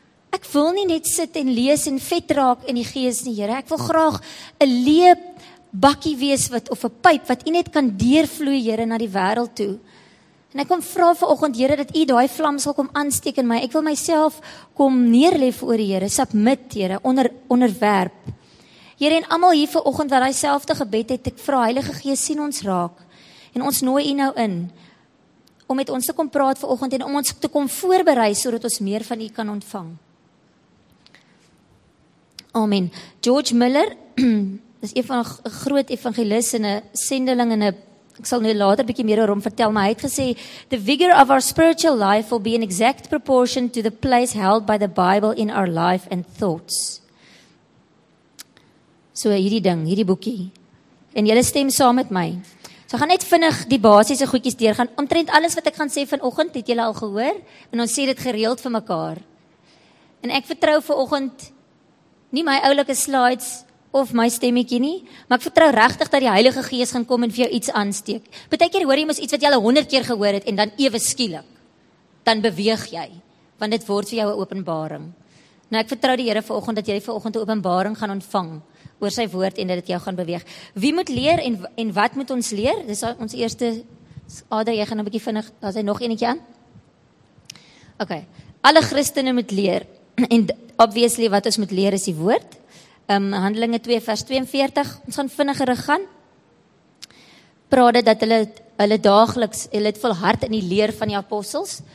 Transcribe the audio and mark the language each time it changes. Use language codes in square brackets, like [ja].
[af] Ek wil nie net sit en lees en vet raak in die gees nie, Here. Ek wil graag 'n leë bakkie wees wat of 'n pyp wat u net kan deurvloei, Here, na die wêreld toe. En ek kom vra vanoggend Here dat U daai vlam sal kom aansteek in my. Ek wil myself kom neerlê voor U Here, submit Here, onderwerp. Here en almal hier vanoggend wat daai selfde gebed het, ek vra Heilige Gees sien ons raak en ons nooi U nou in om met ons te kom praat vanoggend en om ons te kom voorberei sodat ons meer van U kan ontvang. Amen. George Miller is een van 'n groot evangelis en 'n sendeling en 'n Ek sal nou later bietjie meer oor hom vertel, maar hy het gesê, [en] the vigor of our spiritual life will be in exact proportion to the place held by the Bible in our life and thoughts. [af] So hierdie ding, hierdie boekie. En julle stem saam met my. So gaan net vinnig die basiese goedjies deur gaan. Omtrent alles wat ek gaan sê vanoggend, het julle al gehoor. En ons sê dit gereeld vir mekaar. En ek vertrou vanoggend nie my oulike slides of my stemmetjie nie, maar ek vertrou regtig dat die Heilige Gees gaan kom en vir jou iets aansteek. Partykeer hoor jy mos iets wat jy al 100 keer gehoor het en dan ewe skielik, dan beweeg jy, want dit word vir jou 'n openbaring. Nou ek vertrou die Here vanoggend dat jy vanoggend 'n openbaring gaan ontvang oor sy woord en dat dit jou gaan beweeg. Wie moet leer en wat moet ons leer? Dis ons eerste, Ada, jy gaan 'n bietjie vinnig, daar's hy nog eenetjie aan. Ok, alle Christene moet leer en obviously wat ons moet leer is die woord. Handelinge 2 vers 42, ons gaan vinniger gaan, praat dit dat hulle daagliks, hulle het volhard in die leer van die apostels.